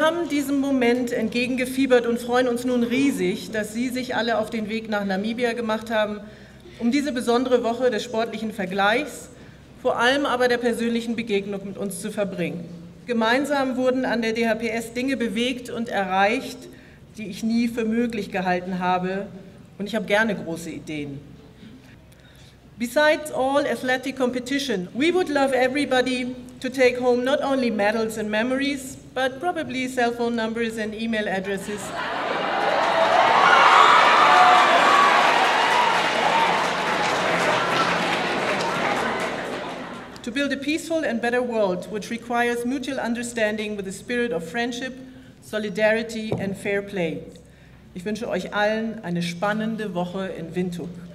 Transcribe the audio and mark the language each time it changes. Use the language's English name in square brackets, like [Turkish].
[German] Diesem Moment entgegengefiebert und freuen uns nun riesig, dass Sie sich alle auf den Weg nach Namibia gemacht haben, um diese besondere Woche des sportlichen Vergleichs, vor allem aber der persönlichen Begegnung mit uns zu verbringen. Gemeinsam wurden an der DHPS Dinge bewegt und erreicht, die ich nie für möglich gehalten habe, und ich habe gerne große Ideen. [English] Besides all athletic competition, we would love everybody to take home not only medals and memories, but probably cell phone numbers and email addresses. To build a peaceful and better world, which requires mutual understanding with a spirit of friendship, solidarity and fair play. [German] Ich wünsche euch allen eine spannende Woche in Windhoek.